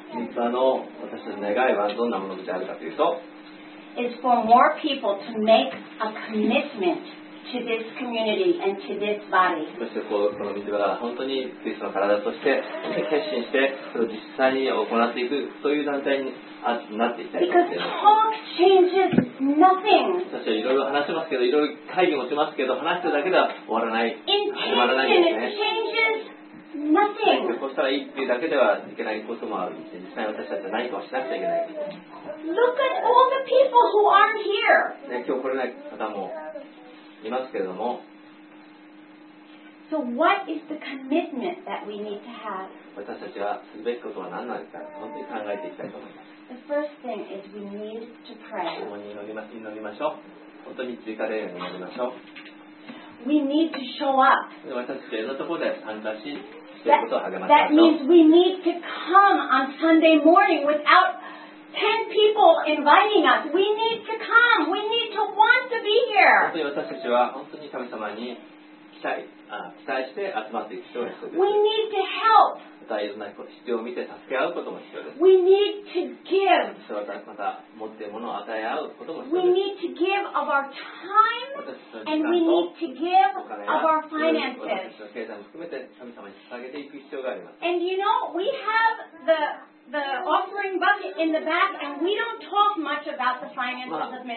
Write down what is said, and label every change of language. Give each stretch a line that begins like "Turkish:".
Japanese: Mizuba の私たちの願いはどんなものであるかというと、
English: is for more people to make a commitment to this community and to this body.
Japanese: そしてこの Mizuba が本当にクリストの体として決心してそれを実際に行っていくそういう団体になっていきたいと。
English: Because talk changes nothing.
Japanese: 私たちはいろいろ話しますけど、いろいろ会議もしますけど、話しただけでは終わらない。始まらないですね。Nothing. こうしたらいいっていうだけではいけないこともあるし、実際私たちは何かをしなくちゃいけない。
English: Look at all the people who aren't here.
Japanese: ね、今日来れない方もいますけれども。
English: So what is the commitment that we need to have?
Japanese: 私たちはすべきことは何なのか、本当に考えていきたいと思います。
English: The first thing is we need to pray.
Japanese: 共に祈りましょう。本当に追加礼拝に祈りましょう。
English: We need to show up.
Japanese: 私たちはいろんなところで参加し、
English: That means we need to come on Sunday morning without 10 people inviting us. We need to come. We need to want to be here.
Japanese: 本当に私たちは本当に神様に期待、期待して集まっていく必要です。
English: We need to help.
Japanese: またいろんな必要を見て助け合うことも必要です。
English: We need to give.
Japanese: そしてまた持っているものを与え合うことも必要です。
English: We need to give of our time and we need to give of our finances.
Japanese: 私たちの経済も含めて神様に捧げていく必要があります。
English: And you know, we have the offering bucket in the back and we don't talk much about the finances of